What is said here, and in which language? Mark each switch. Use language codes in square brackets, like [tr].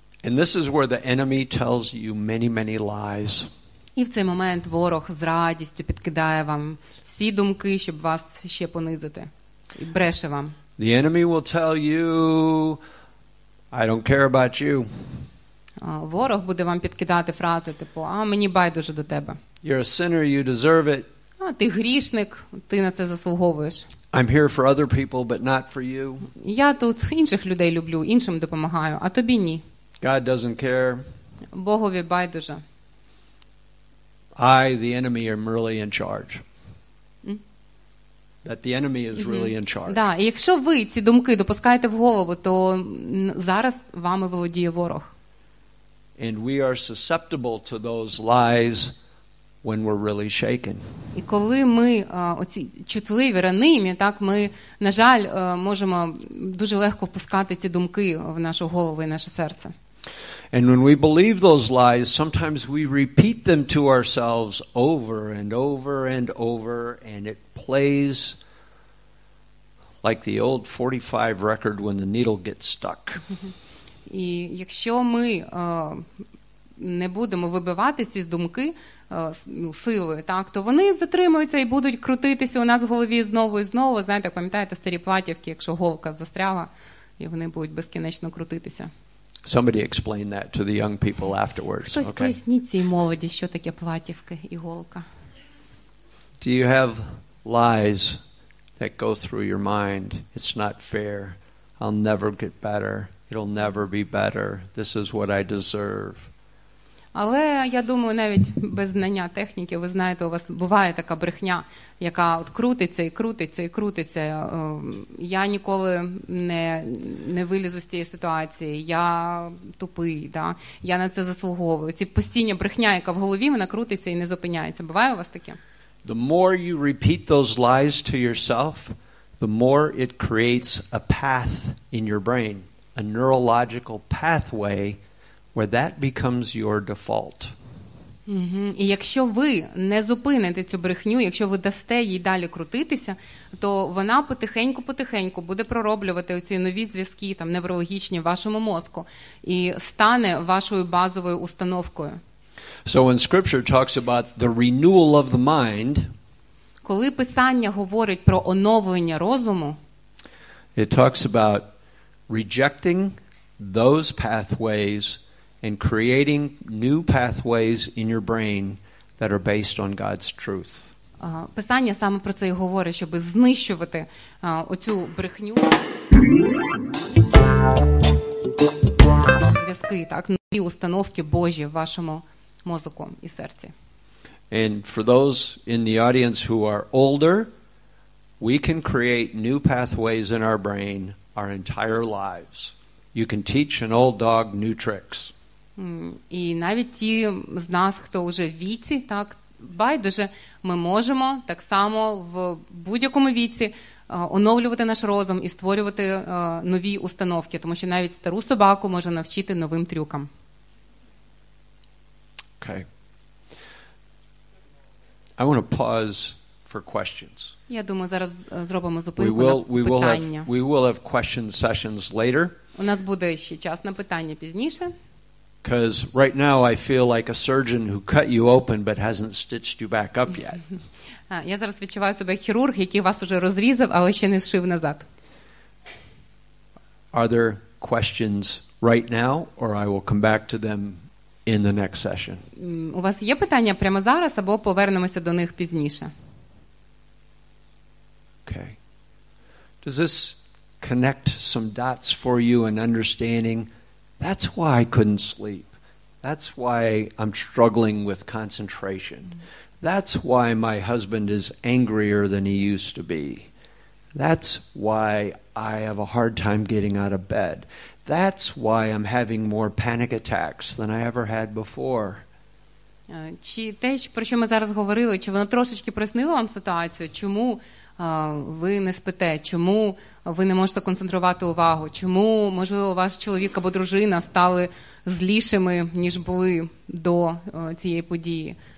[en] And this is where the enemy tells you many, many lies. [uk] І в цей момент ворог з радістю підкидає вам всі думки, щоб вас ще понизити. І бреше вам. [en] The enemy will tell you, I don't care about you. [uk] Ворог буде вам підкидати фрази, типу, а мені байдуже до тебе. [en] You're a sinner, you deserve it. [uk] А ти грішник, ти на це заслуговуєш. [en] I'm here for other people, but not for you. [uk] Я тут інших людей люблю, іншим допомагаю, а тобі ні. [en] God doesn't care. [uk] Богові байдуже. [en] I, the enemy, am really in charge. That the enemy is really in charge. [uk] Да, і якщо ви ці думки допускаєте в голову, то зараз вами володіє ворог. [en] And we are susceptible to those lies when we're really shaken. [uk] І коли ми оці чутливі, ранимі, так, ми, на жаль, можемо дуже легко впускати ці думки в нашу голову і наше серце. [en] And when we believe those lies, sometimes we repeat them to ourselves over and over and over, and it plays like the old 45 record when the needle gets stuck. [uk] І якщо ми не будемо вибивати ці думки силою, так, то вони затримуються і будуть крутитися у нас в голові знову і знову. Знаєте, пам'ятаєте старі платівки, якщо голка застряла, і вони будуть безкінечно крутитися. [en] Somebody explain that to the young people afterwards. [uk] Хтось поясніть цій молоді, що таке платівки, іголка. [en] Do you have lies that go through your mind? It's not fair. I'll never get better. It'll never be better. This is what I deserve. [uk] Але я думаю, навіть без знання техніки, ви знаєте, у вас буває така брехня, яка от крутиться і крутиться і крутиться. Я ніколи не вилізу з цієї ситуації. Я тупий, да? Я на це заслуговую. Ці постійні брехня, яка в голові, вона крутиться і не зупиняється. Буває у вас таке? [en] The more you repeat those lies to yourself, the more it creates a path in your brain, a neurological pathway where that becomes your default. Mm-hmm. [uk] І якщо ви не зупините цю брехню, якщо ви дасте їй далі крутитися, то вона потихеньку-потихеньку буде пророблювати оці нові зв'язки там неврологічні в вашому мозку і стане вашою базовою установкою. [en] So when scripture talks about the renewal of the mind, [uk] коли писання говорить про оновлення розуму, [en] it talks about rejecting those pathways and creating new pathways in your brain that are based on God's truth. [uk] Писання саме про це і говорить, щоб знищувати оцю брехню. Зв'язки, так, нові установки Божі в вашому мозку і серці. [en] And for those in the audience who are older, we can create new pathways in our brain our entire lives. You can teach an old dog new tricks. [uk] І навіть ті з нас, хто вже в віці, так, байдуже, ми можемо так само в будь-якому віці оновлювати наш розум і створювати нові установки, тому що навіть стару собаку можна навчити новим трюкам. [en] Okay. I want to pause for questions. [uk] Я думаю, зараз зробимо зупинку на питання. [en] We will have question sessions later. [uk] У нас буде ще час на питання пізніше. [en] Because right now I feel like a surgeon who cut you open but hasn't stitched you back up yet. [uk] Я зараз відчуваю себе хірург, який вас уже розрізав, але ще не зшив назад. [en] Are there questions right now or I will come back to them in the next session? [uk] У вас є питання прямо зараз або повернемося до них пізніше? [en] Okay. Does this connect some dots for you in understanding? That's why I couldn't sleep. That's why I'm struggling with concentration. That's why my husband is angrier than he used to be. That's why I have a hard time getting out of bed. That's why I'm having more panic attacks than I ever had before. [uk] Чи те, про що ми зараз говорили, чи воно трошечки прояснило вам ситуацію? Чому ви не спите? Чому ви не можете концентрувати увагу? Чому, можливо, ваш чоловік або дружина стали злішими, ніж були до цієї події?